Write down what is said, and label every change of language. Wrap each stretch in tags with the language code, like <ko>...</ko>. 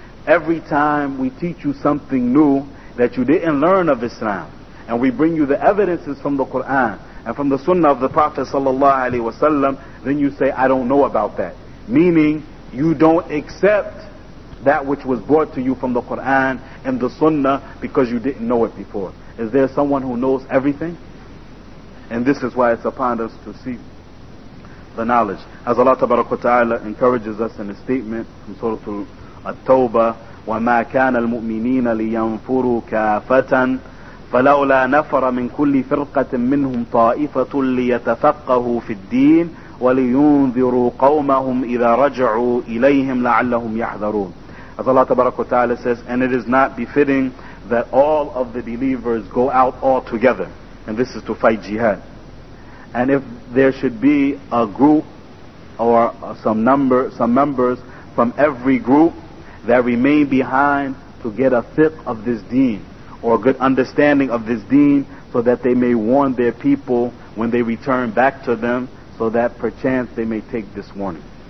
<en>Every time we teach you something new that you didn't learn of Islam, and we bring you the evidences from the Quran and from the Sunnah of the Prophet sallallahu alaihi wasallam, then you say, 'I don't know about that.'" Meaning, you don't accept that which was brought to you from the Quran and the Sunnah because you didn't know it before. Is there someone who knows everything? And this is why it's upon us to see the knowledge. As Allah tabarak wa ta'ala encourages us in a statement from Surah At-Tawbah,</en> <ar>وَمَا كَانَ الْمُؤْمِنِينَ لِيَنْفُرُوا كَافَةً فَلَوْلَا نَفَرَ مِنْ كُلِّ فِرْقَةٍ مِّنْهُمْ طَائِفَةٌ لِيَتَفَقَّهُوا فِي الدِّينِ وَلِيُنذِرُوا قَوْمَهُمْ إِذَا رَجَعُوا إِلَيْهِمْ لَعَلَّهُمْ يَحْذَرُونَ.</ar> <en>As Allah tabarak wa ta'ala says, and it is not befitting that all of the believers go out all together, and this is to fight jihad. And if there should be a group or some members from every group that remain behind to get a fiqh of this deen or a good understanding of this deen, so that they may warn their people when they return back to them, so that perchance they may take this warning.</en>